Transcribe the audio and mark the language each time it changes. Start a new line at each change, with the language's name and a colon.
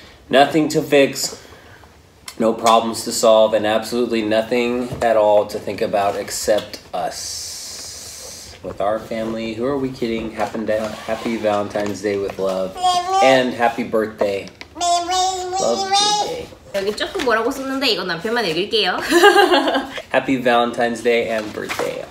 English: Nothing to fix, no problems to solve, and absolutely nothing at all to think about except us. With our family, who are we kidding? Happy Valentine's Day with love. And happy birthday. Love birthday.
Korean: 여기 조금 뭐라고 썼는데 이건 남편만 읽을게요.
English: Happy Valentine's Day and birthday.